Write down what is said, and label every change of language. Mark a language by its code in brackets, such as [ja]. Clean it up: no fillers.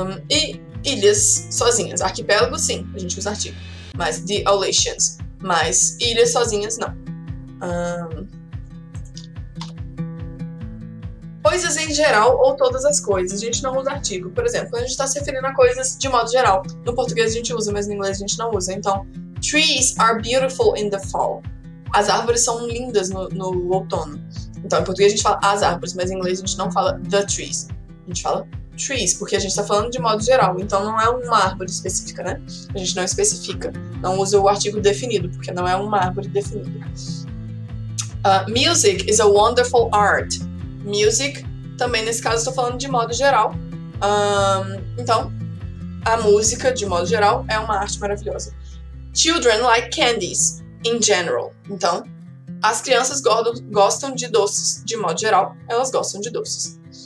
[pt] E ilhas sozinhas. Arquipélago, sim, a gente usa artigo. Mas the Aleutians. Mas ilhas sozinhas, não. Coisas em geral ou todas as coisas, a gente não usa artigo. Por exemplo, quando a gente está se referindo a coisas de modo geral. No português a gente usa, mas no inglês a gente não usa. [en] Então, trees are beautiful in the fall. [pt] As árvores são lindas no outono. Então, em português a gente fala as árvores, mas em inglês a gente não fala the trees. A gente fala trees, porque a gente está falando de modo geral. Então, não é uma árvore específica, né? A gente não especifica. Não usa o artigo definido, porque não é uma árvore definida. [en] Music is a wonderful art. [pt] Music, também nesse caso estou falando de modo geral. Então, a música, de modo geral, é uma arte maravilhosa. [en] Children like candies, in general. [pt] Então, as crianças gostam de doces, de modo geral, elas gostam de doces.